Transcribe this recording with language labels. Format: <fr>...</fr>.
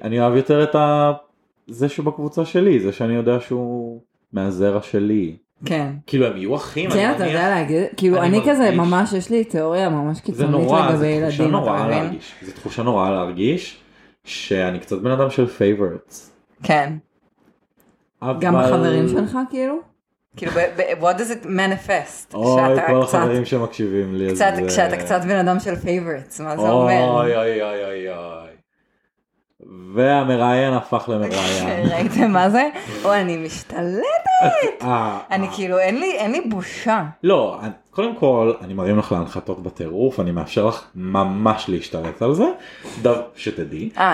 <he>אני אוהב יותר את זה שבקבוצה שלי, זה שאני יודע שהוא מהזרע שלי. כן. כאילו הם יהיו אחים. כן, אתה יודע להגיד, כאילו אני כזה ממש, יש לי תיאוריה ממש קיצונית לגבי ילדים. זה תחושה נורא להרגיש, שאני קצת בן אדם של favorites. כן. גם החברים שלך כאילו?</he> <en>כאילו, what does it manifest?</en> <he>אוי, כל החברים שמקשיבים לי. כשאתה קצת בן אדם של favorites, מה זה אומר? אוי, אוי, אוי, אוי, אוי. והמראיין הפך למראיין. ראיתם מה זה? או, אני משתלטת. אני כאילו, אין לי בושה. לא, קודם כל, אני מראים לך להנחתות בטירוף, אני מאפשר לך ממש להשתלט על זה. שתדעי.</he>